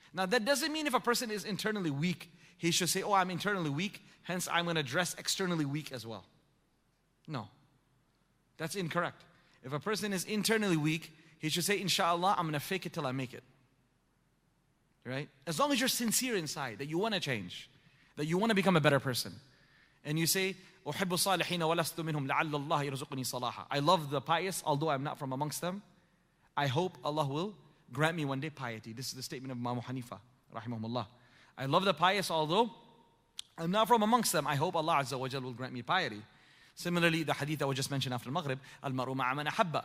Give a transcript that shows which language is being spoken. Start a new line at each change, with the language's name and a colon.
English: Now that doesn't mean if a person is internally weak, he should say, oh, I'm internally weak, hence I'm going to dress externally weak as well. No. That's incorrect. If a person is internally weak, he should say, inshallah, I'm going to fake it till I make it. Right? As long as you're sincere inside, that you want to change, that you want to become a better person.
Arabic: And you say, أحب الصالحين ولست منهم لعل الله يرزقني صلاحا.
English: I love the pious, although I'm not from amongst them. I hope Allah will grant me one day piety. This is the statement of Imam Hanifa, rahimahumullah. I love the pious, although I'm not from amongst them. I hope Allah Azza wa Jal will grant me piety. Similarly, the hadith that was just mentioned after Maghrib,
Arabic: المرء مع من أحب.